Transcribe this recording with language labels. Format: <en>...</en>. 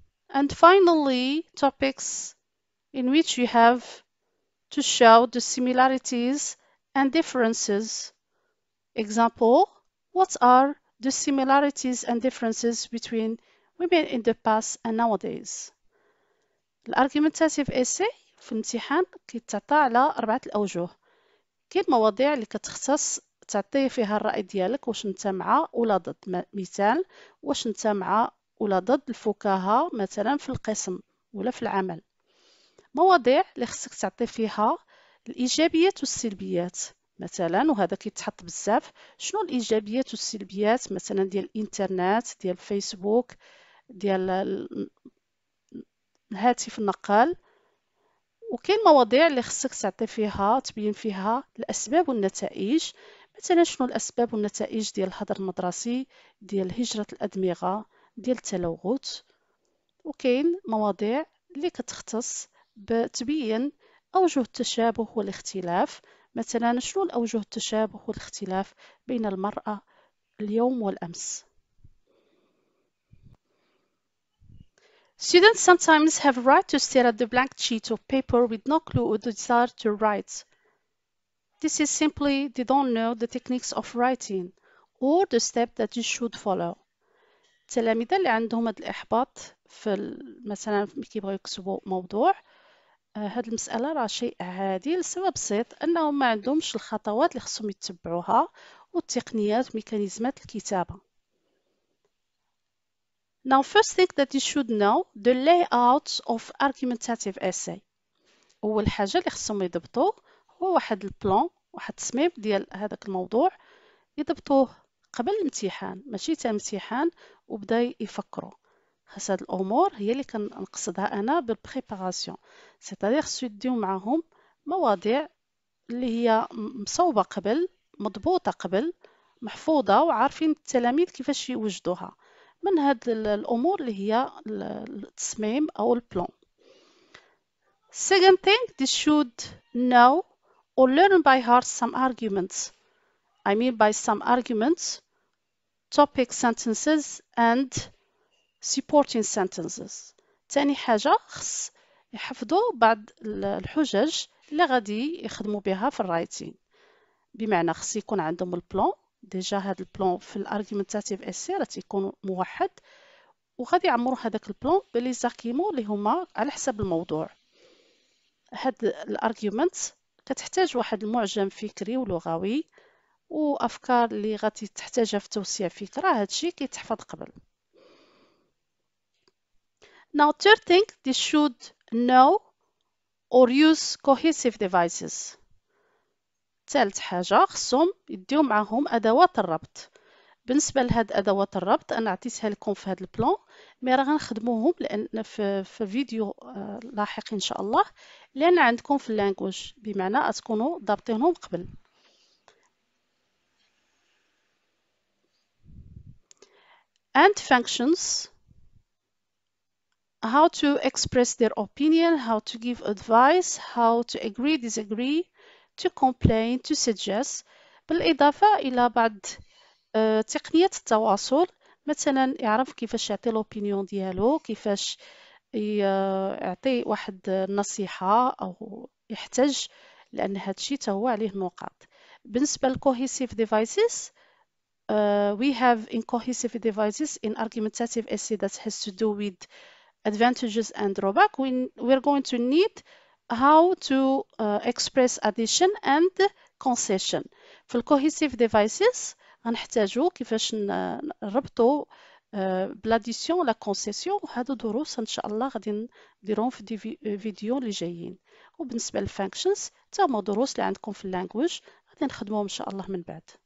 <en>And finally, topics in which you have to show the similarities and differences. Example, what are the similarities and differences between women in the past and nowadays.</en> <ar>الارجومنتاتيف اسي في الامتحان كيتعطى على أربعة الأوجه. كاين مواضيع اللي كتختص تعطي فيها الرأي ديالك، واش نتا مع ولا ضد. مثال، واش نتا مع ولا ضد الفكاهة مثلا في القسم ولا في العمل. مواضيع اللي خصك تعطي فيها الإيجابيات والسلبيات مثلا، وهذا كيتحط بزاف، شنو الإيجابيات والسلبيات مثلا ديال الإنترنت، ديال الفيسبوك، ديال الهاتف النقال. وكاين مواضيع اللي خصك تعطي فيها تبين فيها الأسباب والنتائج، مثلا شنو الأسباب والنتائج ديال الهدر المدرسي، ديال هجرة الأدمغة، ديال التلوث. وكاين مواضيع اللي كتختص بتبين أوجه التشابه والاختلاف، مثلا شنو الأوجه التشابه والاختلاف بين المرأة اليوم والأمس.</ar> <en>Students sometimes have right to stare at the blank sheet of paper with no clue or desire to write. This is simply they don't know the techniques of writing or the step that you should follow.</en> <ar>التلاميذ اللي عندهم هاد الإحباط في مثلا كيبغيو يكتبوا موضوع، هاد المسألة راه شيء عادي لسبب بسيط، أنهم ما عندهمش الخطوات اللي خصهم يتبعوها والتقنيات ميكانيزمات الكتابة.</ar> <en>Now first thing that you should know the layout of argumentative essay.</en> <ar>أول حاجة اللي خصهم يضبطوه هو واحد البلان، واحد التصميم ديال هذاك الموضوع، يضبطوه قبل الامتحان، ماشي تا الامتحان وبدا يفكروا. خاص هاد الأمور هي اللي كنقصدها أنا بالبريباراسيون، سيتادير خصو يديو معاهم مواضيع اللي هي مصوبة قبل، مضبوطة قبل، محفوظة وعارفين التلاميذ كيفاش يوجدوها. من هاد الأمور اللي هي التصميم أو البلان.</ar> <en>Second thing they should know or learn by heart some arguments. I mean by some arguments, topic sentences and supporting sentences.</en> <ar>تاني حاجة خص يحفظوا بعض الحجج اللي غادي يخدموا بها في الرايتين، بمعنى خص يكون عندهم البلان. ديجا هاد البلان في الارجومنتاتيف اسي راه تيكون موحد، وغادي يعمروا هذاك البلان بلي زاكيمو اللي هما على حسب الموضوع. هاد الارجومنت كتحتاج واحد المعجم فكري ولغوي وافكار اللي غادي تحتاجها في توسيع فكره، هادشي كيتحفظ قبل.</ar> <en>Now, third thing, they should know or use cohesive devices.</en> <ar>ثالث حاجة خصهم يديو معهم أدوات الربط. بالنسبة لهاد أدوات الربط أنا عطيتها لكم في هاد البلان، مي راه غنخدموهم لأن في فيديو لاحق إن شاء الله، لأن عندكم في اللانجوج، بمعنى تكونوا ضابطينهم قبل.</ar> <en>And functions. How to express their opinion, how to give advice, how to agree, disagree, to complain, to suggest.</en> <ar>بالإضافة إلى بعض تقنيات التواصل، مثلا يعرف كيفاش يعطي الأوبينيون ديالو، كيفاش يعطي واحد النصيحة أو يحتاج، لأن هادشي تهو عليه نقاط. بالنسبة للكوهيسيف ديفايسيس،</ar> <en>we have incohesive devices in argumentative essay that has to do with advantages and drawback. We're going to need how to express addition and concession.</en> <ar>في cohesive devices غنحتاجو كيفاش نربطو بلاديسيون لا كونسيسيون، وهادو دروس ان شاء الله غادي نديرهم في دي فيديو اللي جايين. وبالنسبه للفانكشنز حتى هما دروس اللي عندكم في اللانجويج غادي نخدموهم ان شاء الله من بعد.</ar>